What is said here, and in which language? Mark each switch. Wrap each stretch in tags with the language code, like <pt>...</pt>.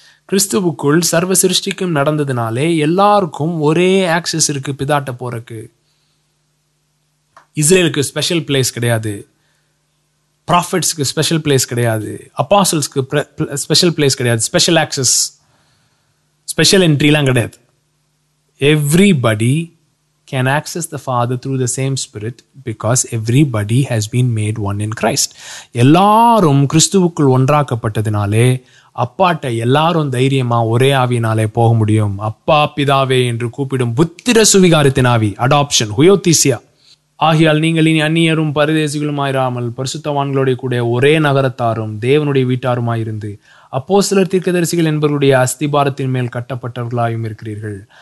<ta>கிறிஸ்துவுக்குள் சர்வ சிருஷ்டிக்கும் நடந்ததினாலே எல்லாருக்கும் ஒரே ஆக்சஸ் இருக்கு பிதாட்ட போறக்கு. இஸ்ரேலுக்கு ஸ்பெஷல் பிளேஸ் கிடையாது, ப்ராஃபிட்ஸ்க்கு ஸ்பெஷல் பிளேஸ் கிடையாது, அப்பாசல்ஸ்க்கு ஸ்பெஷல் பிளேஸ் கிடையாது, ஸ்பெஷல் ஆக்சஸ், ஸ்பெஷல் என்ட்ரிலாம் கிடையாது. Everybody</ta> <en>can access the Father through the same Spirit because everybody has been made one in Christ.</en> <ta>எல்லாரும் கிறிஸ்துவுக்குள் ஒன்றாக்கப்பட்டதினாலே அப்பாட்ட எல்லாரும் தைரியமா ஒரே ஆவியினாலே போக முடியும். அப்பா பிதாவே என்று கூப்பிடும் புத்திர சுவிகாரத்தின் ஆவி அடாப்ஷன் ஹுயோதீசியா. ஆகையால் நீங்கள் இனி அந்நியரும் பரதேசிகளுமாயிராமல் பரிசுத்தவான்களுடைய கூட ஒரே நகரத்தாரும் தேவனுடைய வீட்டாருமாயிருந்து அப்போஸ்தலர் தீர்க்கதரிசிகள் என்பவர்களுடைய அஸ்திபாரத்தின் மேல் கட்டப்பட்டவர்களாயும் இருக்கிறீர்கள்.</ta>